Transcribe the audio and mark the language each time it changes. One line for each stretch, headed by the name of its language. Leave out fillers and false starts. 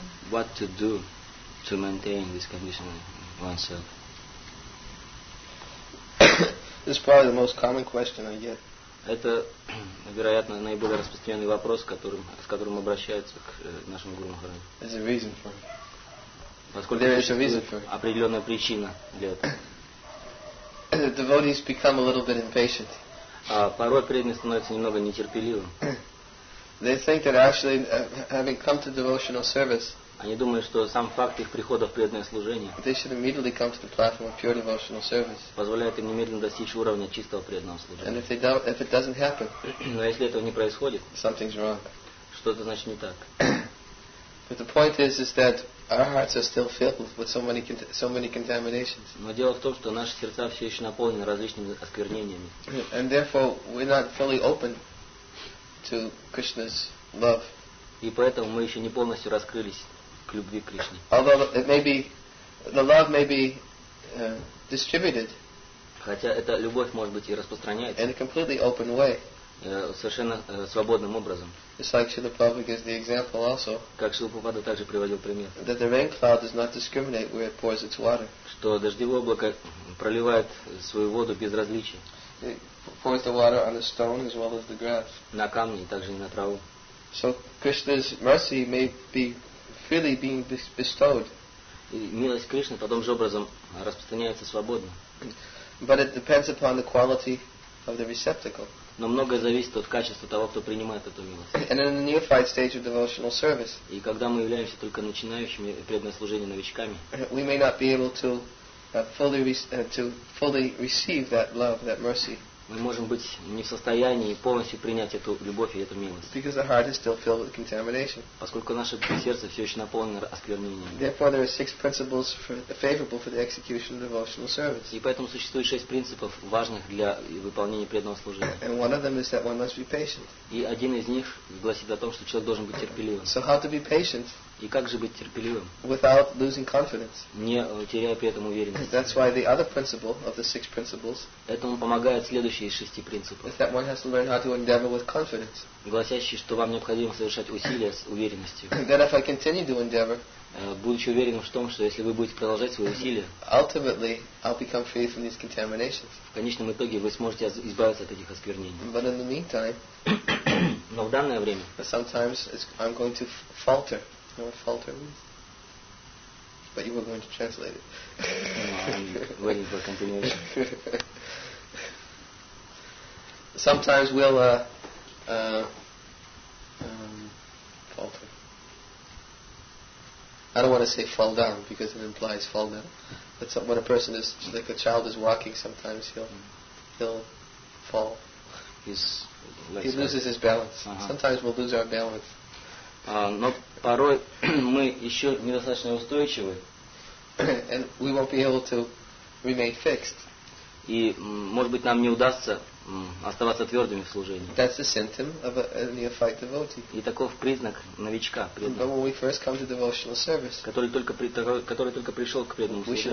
English: What to do to maintain this condition oneself? This is probably the most common question I get.
Russian: Это, вероятно, наиболее распространенный вопрос, с которым обращаются к нашему гуру Махараджу.
English: There's a reason for it.
Russian: Поскольку есть определенная причина для этого.
English: The devotees become a little bit impatient.
Russian: Порой преданные становятся немного нетерпеливым.
English: They think that actually having come to devotional service,
Russian: они думают, что сам факт их прихода в преданное служение,
English: they should immediately come to the platform of pure devotional service,
Russian: позволяет им немедленно достичь уровня чистого преданного служения.
English: And if it doesn't happen,
Russian: но если этого не происходит,
English: something's wrong.
Russian: Что-то значит не так.
English: But the point is that our hearts are still filled with so many contaminations.
Russian: Но дело в том, что наши сердца все еще наполнены различными осквернениями.
English: And therefore, we're not fully open to Krishna's love.
Russian: И поэтому мы еще не полностью раскрылись к любви к Кришне.
English: Although it may be, the love may be distributed.
Russian: Хотя эта любовь может быть и распространяется.
English: In a completely open way.
Russian: Совершенно свободным образом.
English: It's like Srila Prabhupada gives the example also.
Russian: Как Шрила Прабхупада также приводил пример.
English: That the rain cloud does not discriminate where it pours its water.
Russian: Что дождевое облако проливает свою воду без различия.
English: It pours the water on the stone as well as the grass.
Russian: На камни, также и на траву.
English: So Krishna's mercy may be freely being bestowed.
Russian: И милость Кришны таким же образом распространяется свободно.
English: But it depends upon the quality of the receptacle.
Russian: Но многое зависит от качества того, кто принимает эту милость.
English: And in the neophyte stage of devotional service,
Russian: и когда мы являемся только начинающими преданное служение новичками,
English: we may not be able to fully receive that love, that mercy.
Russian: Мы можем быть не в состоянии полностью принять эту любовь и эту милость.
English: Because our heart is still filled with contamination.
Russian: Поскольку наше сердце все еще наполнено осквернениями.
English: Therefore, there are six principles favorable for the execution of devotional service.
Russian: И поэтому существует шесть принципов, важных для выполнения преданного служения.
English: And one of them is that one must be patient.
Russian: И один из них гласит о том, что человек должен быть терпеливым.
English: So how to be patient?
Russian: И как же быть терпеливым?
English: Without losing confidence.
Russian: Не теряя при этом уверенность.
English: That's why the other principle of the six principles.
Russian: Этому помогает следующие из шести принципов.
English: That one has to learn how to endeavor with confidence.
Russian: Гласящий, что вам необходимо совершать усилия с уверенностью.
English: That if I continue to endeavor.
Russian: Будучи уверенным в том, что если вы будете продолжать свои усилия.
English: Ultimately, I'll become free from these contaminations.
Russian: В конечном итоге вы сможете избавиться от этих осквернений.
English: But in the meantime.
Russian: Но в данное время.
English: Sometimes I'm going to falter. You know what falter means? But you were going to translate it. No, I'm waiting for continuation. Sometimes we'll falter. I don't want to say fall down because it implies fall down. But when a person is like a child is walking, sometimes he'll fall. He loses his balance. Uh-huh. Sometimes we'll lose our balance.
Russian: Но порой мы еще недостаточно устойчивы.
English: And we won't be able to remain fixed.
Russian: И, может быть, нам не удастся оставаться твердыми в служении.
English: That's a symptom of a neophyte devotee.
Russian: И таков признак новичка, преданного.
English: But when we first come to devotional service,
Russian: который только пришел к преданному служению,